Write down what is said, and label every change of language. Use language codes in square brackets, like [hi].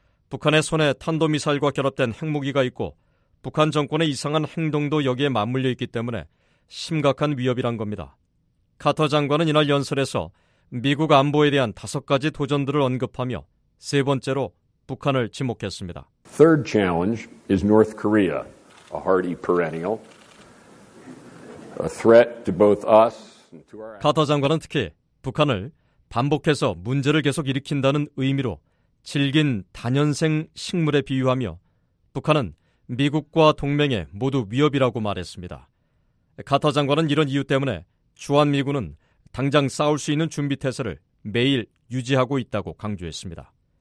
[ko] 북한의 손에 탄도미사일과 결합된 핵무기가 있고 북한 정권의 이상한 행동도 여기에 맞물려 있기 때문에 심각한 위협이란 겁니다. 카터 장관은 이날 연설에서 미국 안보에 대한 다섯 가지 도전들을 언급하며 세 번째로 북한을 지목했습니다. [en] Third challenge is North Korea, a hardy perennial, a threat to both us and to our. [ko] 카터 장관은 특히 북한을 반복해서 문제를 계속 일으킨다는 의미로 질긴 단연생 식물에 비유하며 북한은 미국과 동맹에 모두 위협이라고 말했습니다. 카터 장관은 이런 이유 때문에 주한미군은 당장 싸울 수 있는 준비태세를 매일 유지하고 있다고 강조했습니다.